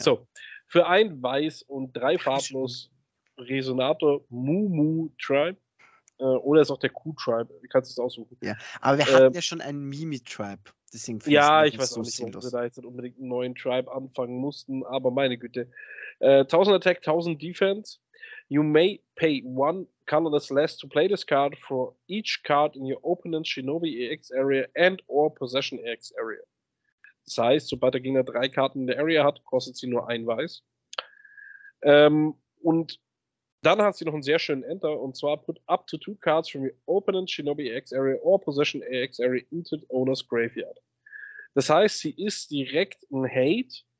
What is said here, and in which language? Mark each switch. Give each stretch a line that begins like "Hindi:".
German: So, für ein weiß und drei farblos Resonator Mumu Tribe. Oder ist auch der Q-Tribe, du kannst es aussuchen. Ja, aber wir hatten ja schon einen Mimi-Tribe, deswegen finde ich ja, ich weiß so auch nicht, ob wir da jetzt nicht unbedingt einen neuen Tribe anfangen mussten, aber meine Güte. 1000 Attack, 1000 Defense.
English: You may pay one colorless less to play this card for each card in your opponent's Shinobi EX area and or possession EX area.
German: Das heißt, sobald der Gegner drei Karten in der Area hat, kostet sie nur ein Weiß. Und dann hat sie noch einen sehr schönen Enter, und zwar
English: put up to two cards from your opponent's Shinobi AX Area or Possession AX Area into the owner's graveyard.
German: Das heißt, sie ist direkt ein Hate.